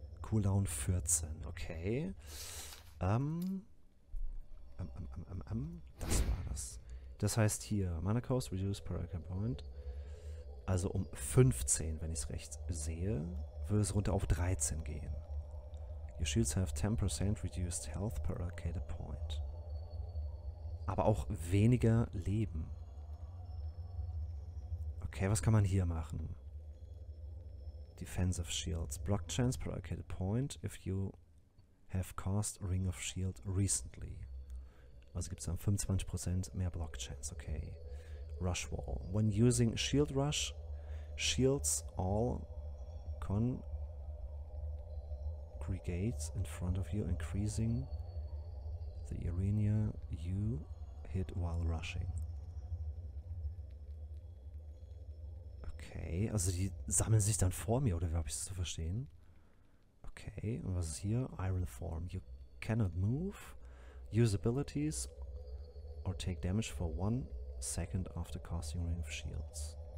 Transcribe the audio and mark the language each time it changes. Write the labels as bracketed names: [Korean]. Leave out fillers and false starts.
[German] Cooldown 14. Okay. Das war das. Das heißt hier, [English] Mana Cost reduced per Allocated Point. [German] Also um 15, wenn ich es recht sehe, würde es runter auf 13 gehen. [English] Your shields have 10% reduced health per allocated point. [German] Aber auch weniger Leben. Okay, was kann man hier machen? Defensive shields. [English] Block chance per allocated point if you have cast Ring of Shield recently. [German] Also gibt es dann 25% mehr Block chance, okay. [English] Rush wall. When using shield rush, shields all congregate in front of you, increasing the arena you hit while rushing. [German] Okay, also die sammeln sich dann vor mir, oder wie habe ich das zu verstehen? Okay, und was ist hier? [English] Iron Form. You cannot move, use abilities or take damage for 1 second after casting Ring of Shields.